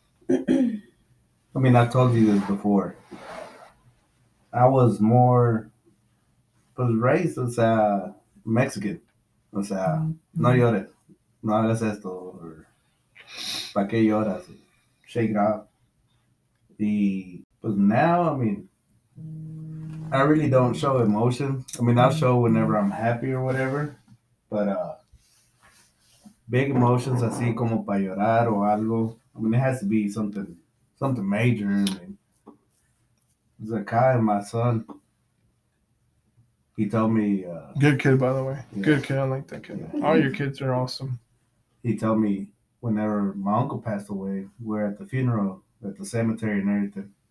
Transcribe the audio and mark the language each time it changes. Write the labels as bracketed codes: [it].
[en] I mean, I told you this before. I was more, was raised as a Mexican. [es] O sea, no llores. No hagas esto. [en] Or, [es] ¿pa qué lloras? [en] Shake it off. [es] Y, pues [en] now, I mean, I really don't show emotion. I mean, I'll show whenever I'm happy or whatever. But big emotions, [es] así como pa llorar o algo. [en] I mean, it has to be something major. I mean, Zakai, my son, he told me. Good kid, by the way. Yeah. Good kid. I like that kid. Yeah. All your kids are awesome. He told me whenever my uncle passed away, we're at the funeral, at the cemetery and everything.